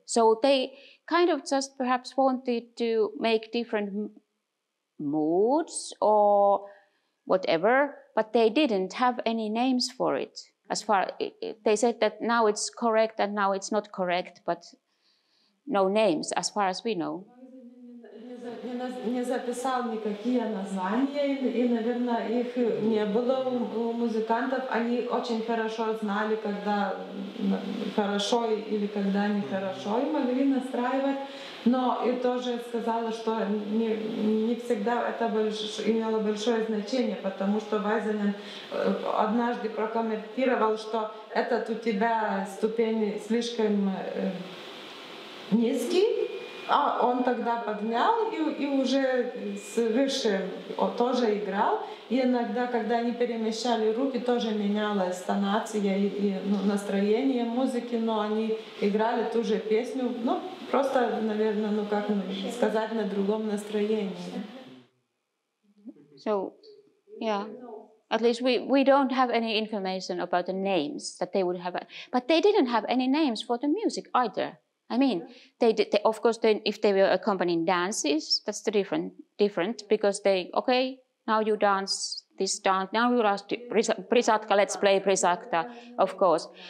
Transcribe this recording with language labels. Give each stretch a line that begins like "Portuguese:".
English: So they kind of just perhaps wanted to make different moods or whatever, but they didn't have any names for it. As far they said that now it's correct and now it's not correct, but no names as far as we know.
Russian: Не записал никакие названия, и, наверное, их не было у музыкантов. Они очень хорошо знали, когда хорошо или когда нехорошо, и могли настраивать. Но и тоже сказала, что не всегда это имело большое значение, потому что Вайзенен однажды прокомментировал, что этот у тебя ступень слишком низкий. А он тогда поднял и уже с выше тоже играл. И иногда, когда они перемещали руки, тоже менялась тонация и настроение музыки, но они играли ту же песню, ну, просто, наверное, ну, как сказать, на другом настроении.
English: So, yeah, at least we don't have any information about the names that they would have, but they didn't have any names for the music either. I mean, they, of course, if they were accompanying dances, that's the different because they, okay, now you dance this dance, now you ask Prisatka, let's play Prisatka, of course.